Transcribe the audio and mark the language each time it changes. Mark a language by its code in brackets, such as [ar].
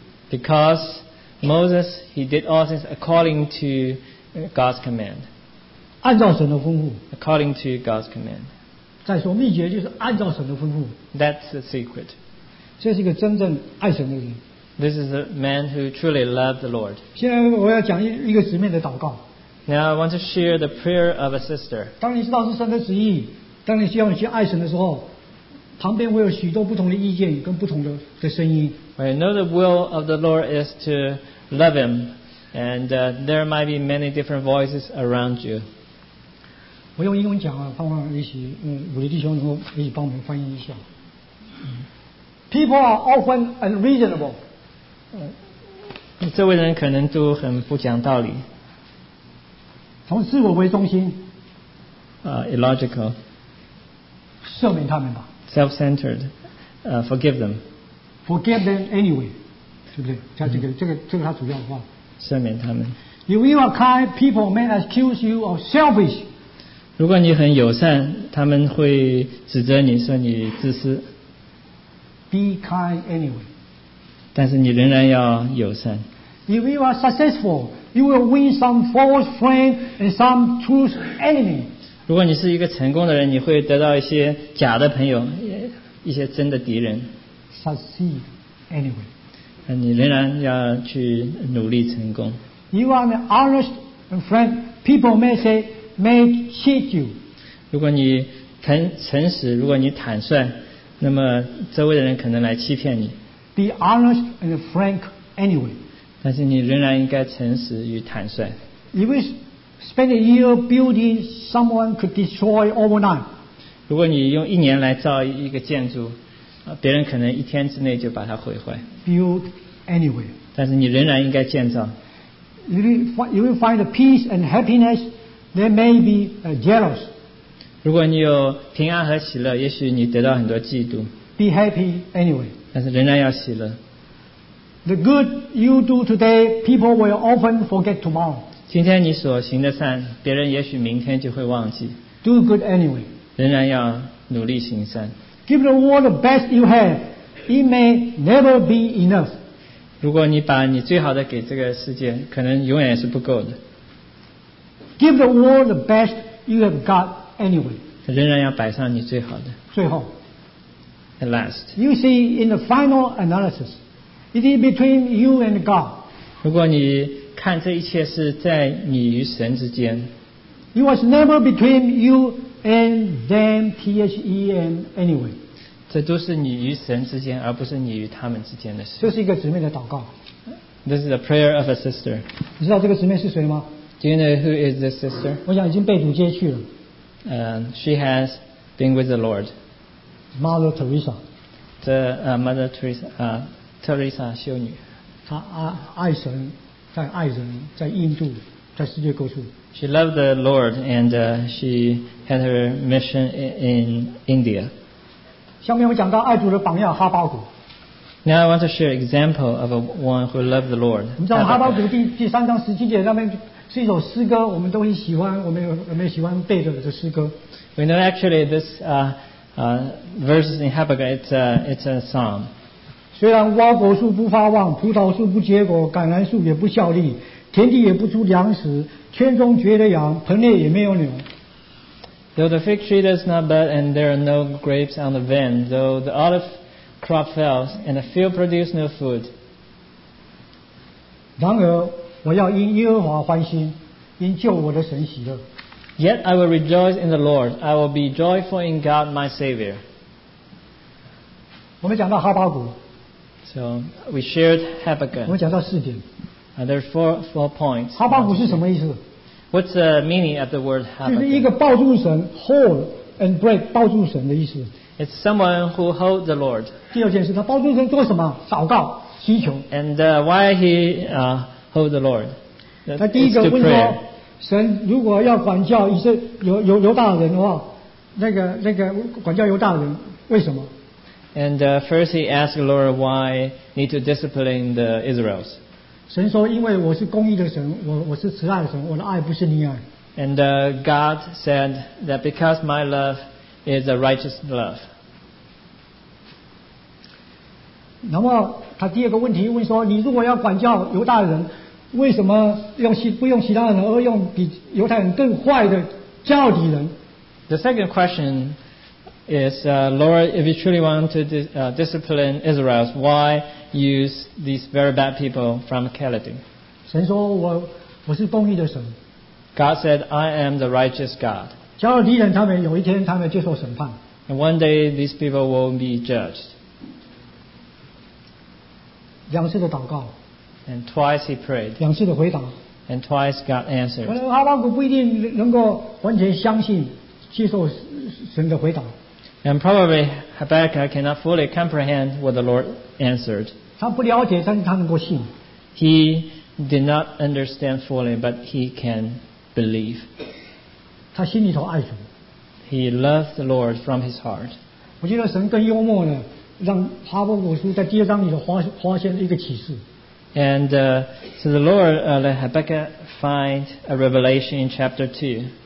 [en] Because Moses, he did all things according to God's command. According to God's command. [zh] 再说秘诀就是按照神的吩咐。 [en] That's the secret. [zh] 这是一个真正爱神的人。 [en] This is a man who truly loved the Lord. [zh] 现在我要讲一个直面的祷告。 [en] Now I want to share the prayer of a sister. [zh] 当你知道是神的旨意, 当你需要你去爱神的时候, 旁边会有许多不同的意见跟不同的声音。 [en] I know the will of the Lord is to love him, and there might be many different voices around you. [zh] 我用英文讲啊, 盼望也许我的弟兄能够可以帮我们翻译一下。 [en] People are often unreasonable. [zh] 这位人可能都很不讲道理。从自我为中心。 [en] Illogical. [zh] 赦免他们吧。 [en] Self-centered. Forgive them. Forgive them anyway. [zh] 是不是?这个他主要的话。赦免他们。 [en] If you are kind, people may accuse you of selfish. [zh] 如果你很友善, 他们会指责你说你自私。 [en] Be kind anyway. [zh] 但是你仍然要友善。 [en] If you are successful, You will win some false friend and some true enemy. [zh] 如果你是一个成功的人，你会得到一些假的朋友，一些真的敌人。 [en] Succeed anyway. [zh] 你仍然要去努力成功。 [en] You are an honest friend. People may say, may cheat you. [zh] 如果你诚实，如果你坦率，那么周围的人可能来欺骗你。 [en] Be honest and frank anyway. [zh] 但是你仍然应该诚实与坦率。 [en] If you spend a year building, someone could destroy overnight. [zh] 如果你用一年来造一个建筑，别人可能一天之内就把它毁坏。 [en] Build anyway. [zh] 但是你仍然应该建造。 [en] You will find peace and happiness. They may be jealous. [zh] 如果你有平安和喜乐，也许你得到很多嫉妒。 [en] Be happy anyway. [zh] 但是仍然要喜乐。 [en] The good you do today, people will often forget tomorrow. [zh] 今天你所行的善，别人也许明天就会忘记。 [en] Do good anyway. [zh] 仍然要努力行善。 [en] Give the world the best you have. It may never be enough. [zh] 如果你把你最好的给这个世界，可能永远是不够的。 [en] Give the world the best you have got anyway. [zh] 仍然要摆上你最好的。最后。 [en] At last. You see, in the final analysis, it is between you and God. [zh] 如果你看这一切是在你与神之间。 [en] It was never between you and them, T-H-E-M, anyway. [zh] 这都是你与神之间，而不是你与他们之间的事。这是一个姊妹的祷告。 [en] This is a prayer of a sister. [zh] 你知道这个姊妹是谁吗？ [en] Do you know who is this sister? [zh] 我想已经被主接去了。 [en] She has been with the Lord. Mother Teresa. [zh] Mother Teresa, Teresa 修女。她爱神，在爱人，在印度，在世界各处。 [en] She loved the Lord and she had her mission in India. [zh] 下面我讲到爱主的榜样哈巴谷。 [en] Now I want to share an example of a one who loved the Lord. [zh] 你知道哈巴谷第三章十七节上面是一首诗歌，我们都很喜欢，我们喜欢背着的诗歌。 [en] We know actually this verses in Habakkuk it's a psalm. [zh] 虽然无果树不发旺，葡萄树不结果，橄榄树也不效力，田地也不出粮食，圈中绝了羊，棚内也没有牛。 [en] Though the fig tree does not bud and there are no grapes on the vine, though the olive crop fails and the field produce no food. [zh] 然而我要因耶和华欢心，因救我的神喜乐。 [en] Yet I will rejoice in the Lord. I will be joyful in God my Savior. [zh] 我们讲到哈巴谷。 [en] So we shared Habakkuk. [zh] 我们讲到四点。 [en] There are four points. [zh] 哈巴谷是什么意思？ [en] What's the meaning of the word Habakkuk? [zh] 就是一个抱住神 ， [en] hold and break [zh] 抱住神的意思。 [en] It's someone who holds the Lord. [zh] 第二件事，他抱住神做什么？祷告、祈求。 [en] And why he holds the Lord? [zh] 他第一个问说，神如果要管教以色犹大人的话，那个管教犹大人为什么 [en] ？And first he asked the Lord why need to discipline the Israelites. [zh] 神说：“因为我是公义的神，我是慈爱的神，我的爱不是溺爱。” [en] And God said that because my love is a righteous love. [zh] 那么他第二个问题问说：“你如果要管教犹大人，为什么不用其他人，而用比犹太人更坏的教底人 [en] ？”The second question is, Lord, if you truly want to discipline Israel, why? Use these very bad people from Kaladin. [zh] 神说我是公义的神。 [en] God said, I am the righteous God. [zh] 加勒底人他们有一天他们接受审判。 [en] And one day these people will be judged. [zh] 两次的祷告。 [en] And twice he prayed. [zh] 两次的回答。 [en] And twice God answered. [zh] 可能哈巴谷不一定能够完全相信接受神的回答。 [en] And probably Habakkuk cannot fully comprehend what the Lord answered. [zh] 他不了解，但是他能够信。 [en] He did not understand fully, but he can believe. [zh] 他心里头爱主。 [en] He loved the Lord from his heart. [zh] 我觉得神更幽默的，让哈巴谷书在第二章里头发现一个启示。 [en] And so the Lord let Habakkuk find a revelation in chapter 2.